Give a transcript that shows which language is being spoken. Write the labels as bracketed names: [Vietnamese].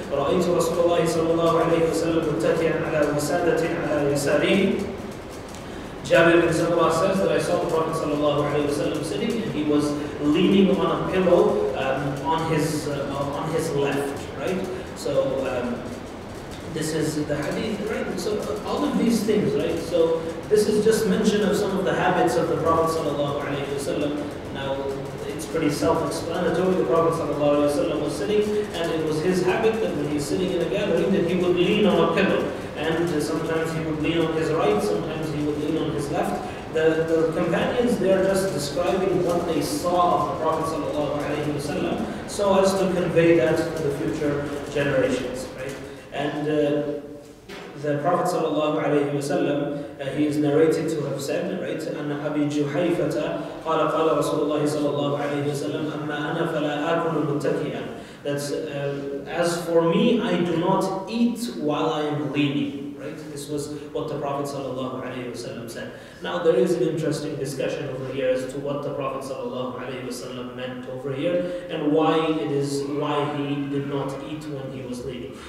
[Arabic] رأيت رسول الله صلى الله عليه وسلم متكئا على وسادة على يساره. [English] Jabir bin Sabah says that I saw the Prophet صلى الله عليه وسلم sitting and he was leaning on a pillow on his left, right? So this is the hadith, right? So all of these things, right? So this is just mention of some of the habits of the Prophet صلى الله عليه وسلم. Now, it's pretty self-explanatory. The Prophet ﷺ was sitting, and it was his habit that when he's sitting in a gathering, that he would lean on a pillow. And sometimes he would lean on his right, sometimes he would lean on his left. The companions, they are just describing what they saw of the Prophet ﷺ, so as to convey that to the future generations, right? And the Prophet sallallahu alayhi wa sallam, he is narrated to have said, right, [Arabic] أن أبي جحيفة قال قال رسول الله صلى الله عليه وسلم أما أنا فلا آكل متكيا. [English] That's, as for me, I do not eat while I am leaning, right? This was what the Prophet sallallahu alayhi wa sallam said. Now there is an interesting discussion over here as to what the Prophet sallallahu alayhi wa sallam meant over here and why he did not eat when he was leaning.